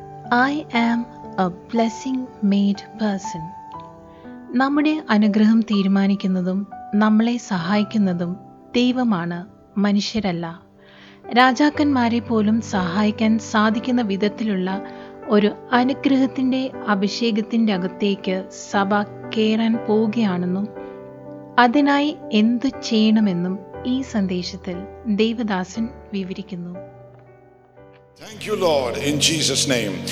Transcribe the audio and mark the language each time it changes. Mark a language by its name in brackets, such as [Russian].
[English] I am a blessing made person. [Malayalam] നമ്മുടെ അനുഗ്രഹം തീരുമാനിക്കുന്നതും നമ്മളെ സഹായിക്കുന്നതും ദൈവമാണ്, മനുഷ്യരല്ല. രാജാക്കന്മാരെ പോലും സഹായിക്കാൻ സാധിക്കുന്ന വിധത്തിലുള്ള ഒരു അനുഗ്രഹത്തിൻ്റെ അഭിഷേകത്തിൻ്റെ അകത്തേക്ക് സഭ കയറാൻ പോവുകയാണെന്നും അതിനായി എന്തു ചെയ്യണമെന്നും ഈ സന്ദേശത്തിൽ ദേവദാസൻ വിവരിക്കുന്നു. [English] Thank you, Lord, in Jesus name.